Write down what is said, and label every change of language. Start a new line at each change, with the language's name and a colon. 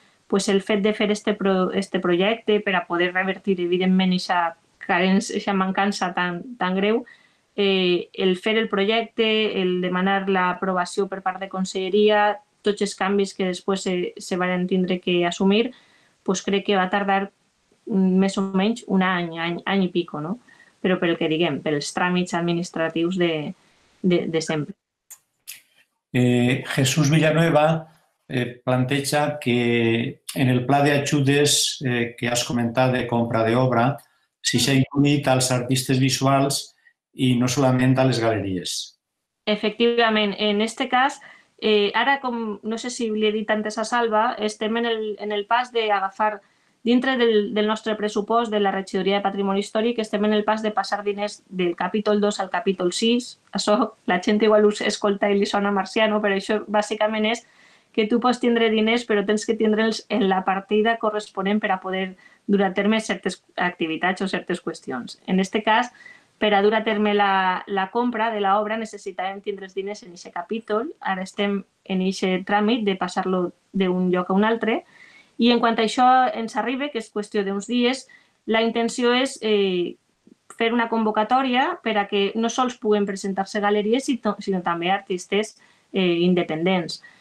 Catalan: Pues el fet de fer este projecte per a poder revertir, evidentment, aquesta mancança tan greu, el fer el projecte, el demanar l'aprovació per part de Conselleria, tots els canvis que després se van tindre que assumir, pues crec que va tardar més o menys un any i pico, no? Però pel que diguem, pels tràmits administratius de sempre. Jesús Villanueva planteja que en el pla de
Spanish: ayudas que has comentado de compra de obra, si se incluyen a los artistas visuales y no solamente a las galerías. Efectivamente, en este caso,
Catalan: ahora com,
Spanish: no sé si le he dicho antes a Salva,
Catalan: estem en el pas de agafar
Spanish: dentro del nuestro presupuesto de la Regidoría de Patrimonio Histórico,
Catalan: estem en el pas de pasar diners
Spanish: del capítulo 2 al capítulo 6. Eso la gente igual
Catalan: us escolta
Spanish: y le suena marciano, pero eso básicamente es que tú puedes tener
Catalan: diners,
Spanish: pero tienes que tenerlos en la partida
Catalan: corresponent
Spanish: para poder
Catalan: durar a terme
Spanish: ciertas actividades o ciertas cuestiones. En este caso, para
Catalan: durar a terme
Spanish: la compra de la obra,
Catalan: necesitarem tindre diners
Spanish: en ese
Catalan: capítol. Ara estem en ese tràmit de passar-lo d'un lloc a un altre. I en quant a això ens arribe, que és qüestió d'uns dies, la intenció és fer una convocatòria per a que no sols puguen presentar-se galeries, sinó també artistes independents.